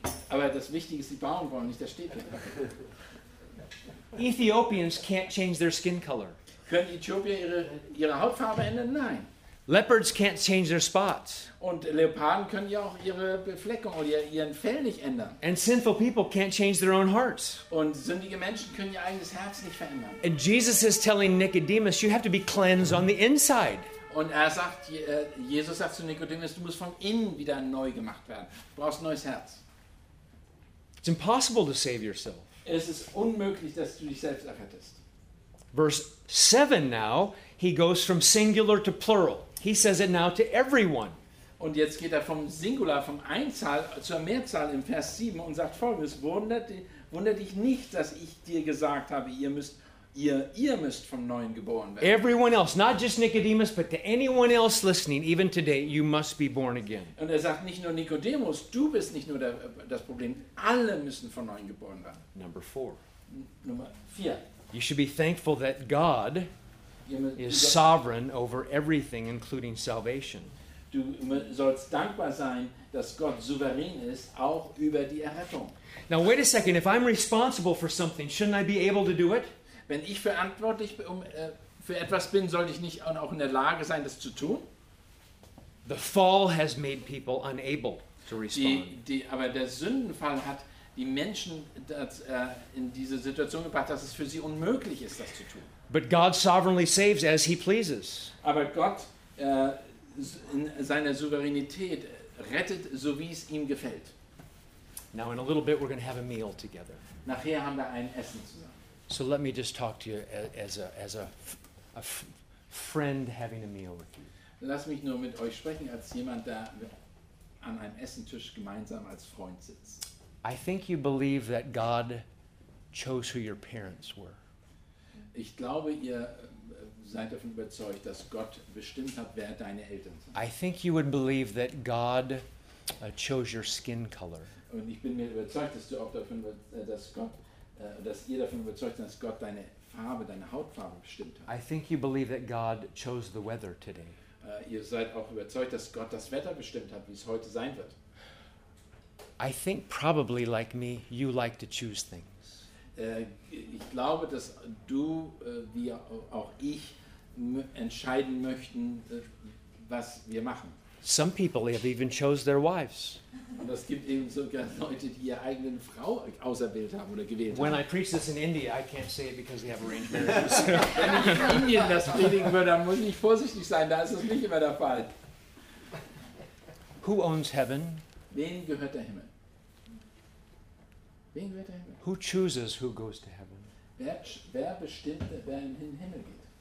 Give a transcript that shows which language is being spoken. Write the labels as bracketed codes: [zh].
[de] Aber das Wichtige ist die Baumwolle, nicht der Stäbchen. [en] Ethiopians can't change their skin color. [de] Können Äthiopier ihre Hautfarbe ändern? Nein. [en] Leopards can't change their spots. [de] Und Leoparden können ja auch ihre Befleckung oder ihren Fell nicht ändern. [en] And sinful people can't change their own hearts. [de] Und sündige Menschen können ihr eigenes Herz nicht verändern. [en] And Jesus is telling Nicodemus, you have to be cleansed on the inside. [de] Und Jesus sagt zu Nicodemus, du musst von innen wieder neu gemacht werden. Du brauchst ein neues Herz. [en] It's impossible to save yourself. [de] Es ist unmöglich, dass du dich selbst errettest. [en] Verse 7 now, he goes from singular to plural. He says it now to everyone. [de] Und jetzt geht vom Singular, vom Einzahl zur Mehrzahl im Vers 7 und sagt folgendes, wunder dich nicht, dass ich dir gesagt habe, ihr müsst vom Neuen geboren werden. [en] Everyone else, not just Nicodemus, but to anyone else listening, even today, you must be born again. [de] Und sagt nicht nur Nicodemus, du bist nicht nur das Problem, alle müssen von Neuem geboren werden. [en] Number 4. [de] Nummer 4. [en] You should be thankful that God is sovereign over everything, including salvation. [de] Du sollst dankbar sein, dass Gott souverän ist, auch über die Errettung. [en] Now wait a second. If I'm responsible for something, shouldn't I be able to do it? [de] Wenn ich verantwortlich für etwas bin, sollte ich nicht auch in der Lage sein, das zu tun? [en] The fall has made people unable to respond. [de] Aber der Sündenfall hat die Menschen in diese Situation gebracht, dass es für sie unmöglich ist, das zu tun. [en] But God sovereignly saves as he pleases. [de] Aber Gott in seiner Souveränität rettet, so wie es ihm gefällt. [en] Now in a little bit we're going to have a meal together. [de] Nachher haben wir ein Essen zusammen. [en] So let me just talk to you as a friend having a meal with you. [de] Lass mich nur mit euch sprechen als jemand, der an einem Essentisch gemeinsam als Freund sitzt. [en] I think you believe that God chose who your parents were. [de] Ich glaube, ihr seid davon überzeugt, dass Gott bestimmt hat, wer deine Eltern sind. [en] I think you would believe that God chose your skin color. [de] Und ich bin mir überzeugt, dass ihr davon überzeugt, dass Gott deine Hautfarbe bestimmt hat. [en] I think you believe that God chose the weather today. [de] Ihr seid auch überzeugt, dass Gott das Wetter bestimmt hat, wie es heute sein wird. [en] I think probably like me, you like to choose things. [de] Ich glaube, dass du, wie auch ich, entscheiden möchten, was wir machen. [en] Some people have even chose their wives. [de] Und es gibt eben sogar Leute, die ihre eigenen Frau auserwählt haben oder gewählt haben. [en] When I preach this in India, I can't say it because they have arranged marriages. [de] Wenn ich in Indien das predigen würde, dann muss ich vorsichtig sein, da ist es nicht immer der Fall. [en] Who owns heaven? [de] Wem gehört der Himmel? [en] Who chooses who goes to heaven? [de] Wer bestimmt, wer in den Himmel geht?